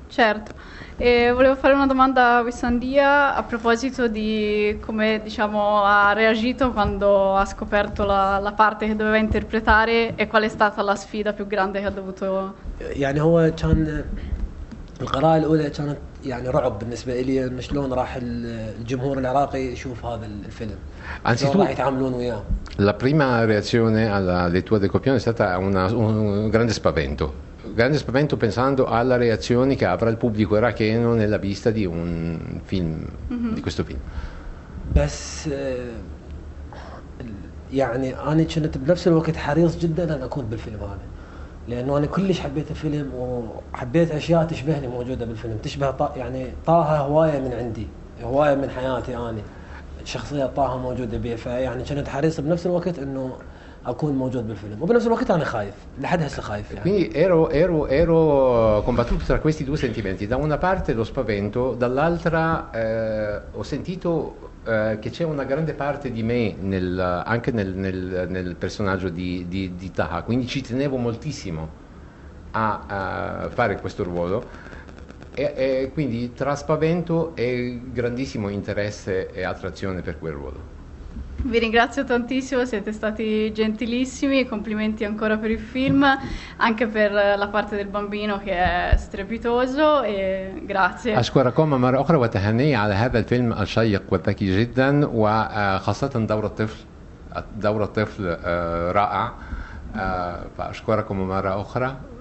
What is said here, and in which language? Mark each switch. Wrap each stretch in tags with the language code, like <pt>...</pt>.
<it>Certo, e volevo fare una domanda a Wissam Dia a proposito di come, diciamo, ha reagito quando ha scoperto la parte che doveva interpretare e qual è stata la sfida più grande che ha dovuto.</it> <ar>يعني هو كان القراءة الأولى كانت يعني رعب بالنسبة لي إنه شلون راح الجمهور العراقي يشوف هذا الفيلم.</ar> <it>La prima reazione alla lettura del copione è stata un grande spavento pensando alla reazione che avrà il pubblico iracheno nella vista di un film di questo film.</it> <ar>بس يعني أنا كنت بنفس الوقت حريص جدا أن أكون بالفيلم هذا لأنه أنا كلش حبيت الفيلم وحبيت أشياء تشبهني موجودة بالفيلم تشبه يعني طاها هواية من عندي هواية من حياتي أنا شخصية طاها موجودة بي فيعني كنت حريص بنفس الوقت إنه أكون موجود بالفيلم وبنفس الوقت أنا خايف لحد هسه خايف يعني.</ar> <it>Quindi ero combattuto tra questi due sentimenti, da una parte lo spavento, dall'altra ho sentito che c'è una grande parte di me anche nel personaggio di Taha, quindi ci tenevo moltissimo a fare questo ruolo quindi tra spavento e grandissimo interesse e attrazione per quel ruolo. Vi ringrazio tantissimo, siete stati gentilissimi, complimenti ancora per il film, anche per la parte del bambino che è strepitoso e grazie.</it> <ar>أشكركم مرة أخرى وتهنئي على هذا الفيلم الشيق والذكي جدا، وخاصة دور الطفل، دور الطفل رائع، فأشكركم مرة أخرى.</ar>